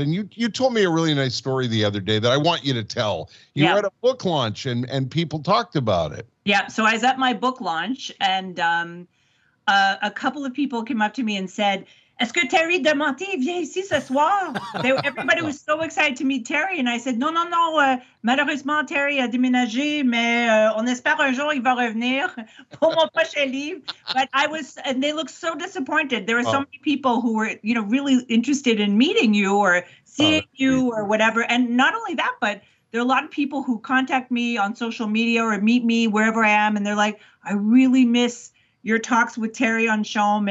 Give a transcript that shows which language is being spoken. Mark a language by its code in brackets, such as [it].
[en] And you told me a really nice story the other day that I want you to tell. You yeah. were at a book launch and people talked about it. Yeah. So I was at my book launch and a couple of people came up to me and said, [fr] est-ce que Terry Demonté vient ici ce soir? [en] Everybody was so excited to meet Terry. And I said, [fr] non, non, non, malheureusement, Terry a déménagé, mais on espère un jour il va revenir pour mon prochain livre. [en] But I was, and they looked so disappointed. There were so many people who were, you know, really interested in meeting you or seeing you or whatever. And not only that, but there are a lot of people who contact me on social media or meet me wherever I am. And they're like, I really miss your talks with Terry on Shom.